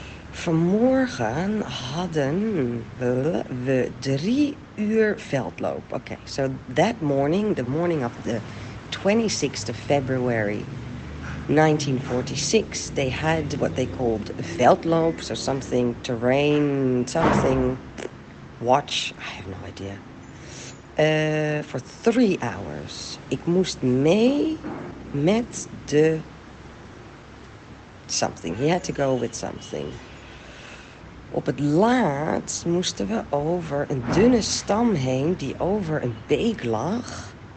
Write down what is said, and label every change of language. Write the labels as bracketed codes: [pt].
[nl] Vanmorgen hadden we 3 uur veldloop. [en] Okay, so that morning, the morning of the 26th of February, 1946, they had what they called veldloop, so something, terrain, something, watch, I have no idea. For 3 hours. [nl] Ik moest mee met de something. [en] He had to go with something. [nl] Op het laatst moesten we over een dunne stam heen die over een beek lag.